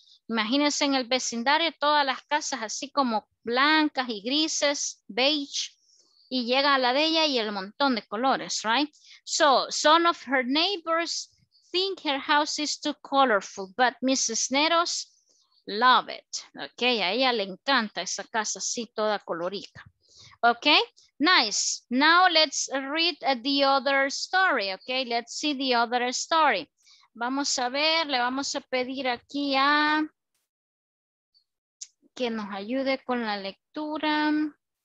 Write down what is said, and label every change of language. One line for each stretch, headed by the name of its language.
Spanish: Imagínense en el vecindario todas las casas así como blancas y grises, beige, y llega a la de ella y el montón de colores, right?
English: So some of her neighbors think her house is too colorful, but Mrs. Cisneros love it.
Spanish: Okay, a ella le encanta esa casa así toda colorica.
English: Okay, nice. Now let's read the other story. Okay, let's see the other story.
Spanish: Vamos a ver, le vamos a pedir aquí a que nos ayude con la lectura.